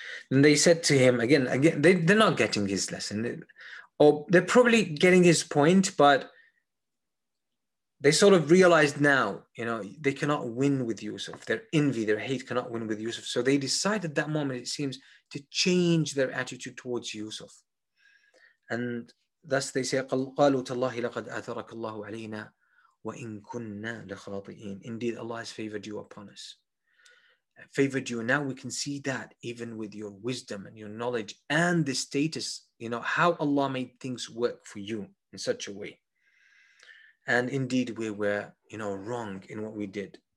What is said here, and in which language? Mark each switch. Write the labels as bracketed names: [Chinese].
[English] And they said to him, again, they're not getting his lesson. Or they're probably getting his point, but they sort of realized now, you know, they cannot win with Yusuf. Their envy, their hate cannot win with Yusuf. So they decided at that moment, it seems, to change their attitude towards Yusuf. And thus they say, [Arabic] قَالُوا تَاللَّهِ لَقَدْ أَثَرَكَ اللَّهُ عَلَيْنَا وَإِنْ كُنَّا لَخَاطِئِينَ. [English] Indeed, Allah has favored you upon us. Favored you. Now we can see that even with your wisdom and your knowledge and the status, you know, how Allah made things work for you in such a way. And indeed, we were, you know, wrong in what we did.